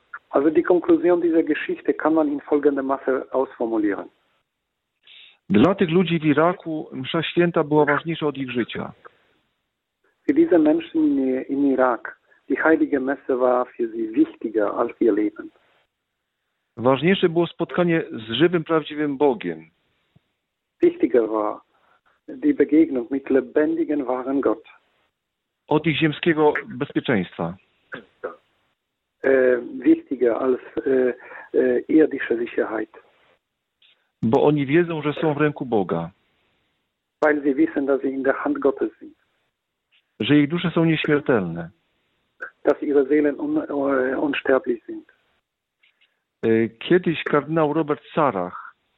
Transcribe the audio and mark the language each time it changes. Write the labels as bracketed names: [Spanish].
[German] Also die Konklusion dieser Geschichte kann man in folgender Masse ausformulieren. [Polish] Dla tych ludzi w Iraku msza święta była ważniejsza od ich życia. [German] Für diese Menschen in Irak Die heilige Messe war für sie wichtiger als ihr Leben. [Polish] Ważniejsze było spotkanie z żywym, prawdziwym Bogiem. [German] Wichtiger war die Begegnung mit lebendigen, wahren Gott. [Polish] Od ich ziemskiego bezpieczeństwa. [German] Wichtiger als irdische Sicherheit. [Polish] Bo oni wiedzą, że są w ręku Boga. [German] Weil sie wissen, dass sie in der Hand Gottes sind. [Polish] Że ich dusze są nieśmiertelne. [German] Dass ihre Seelen unsterblich sind. [Polish] Kiedyś kardynał Robert Sarach.